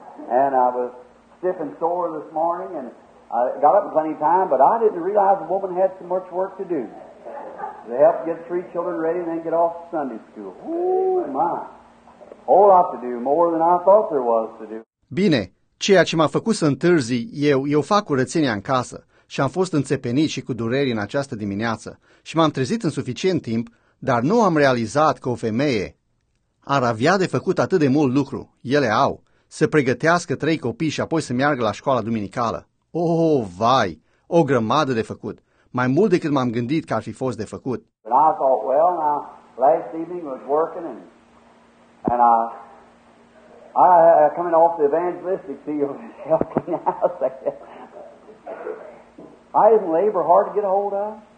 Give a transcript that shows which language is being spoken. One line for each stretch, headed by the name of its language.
English: And I was stiff and sore this morning and I got up in plenty of time, but I didn't realize a woman had so much work to do. To help get three children ready and then get off to Sunday school. Ooh, my. Whole lot to do, more than I thought there was to do.
Romanian: Bine, ceea ce m-a făcut să întârzi, eu fac curățenia în casă și am fost înțepenit și cu dureri în această dimineață și m-am trezit în suficient timp, dar nu am realizat că o femeie ar avea de făcut atât de mult lucru. Ele au să pregătească trei copii și apoi să meargă la școala duminicală. Oh, vai, o grămadă de făcut. Mai mult decât m-am gândit că ar fi fost de făcut.
English: And I thought, well, now, last evening was working and I coming off the evangelistic field and helping out there. I didn't labor hard to get a hold of.